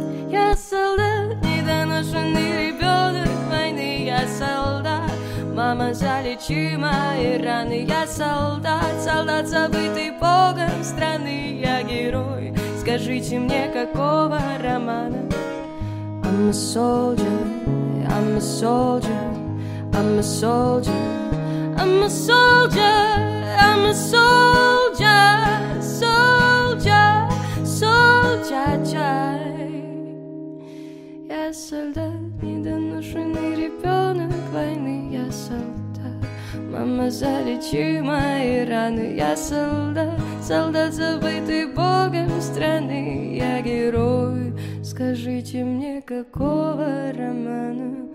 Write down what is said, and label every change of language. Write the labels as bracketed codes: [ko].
[ru] Я солдат, недоношенный ребенок войны. Я солдат, мама, залечи мои раны. Я солдат, солдат, забытый богом страны. Я герой, скажите мне, какого романа? [en] I'm a soldier, I'm a soldier, I'm a soldier, I'm a soldier, I'm a soldier, soldier, soldier. [ru] Я солдат, недоношенный ребенок войны. Я солдат, мама, залечи мои раны. Я солдат, солдат, забытый богом страны. Я герой, скажите мне, какого романа?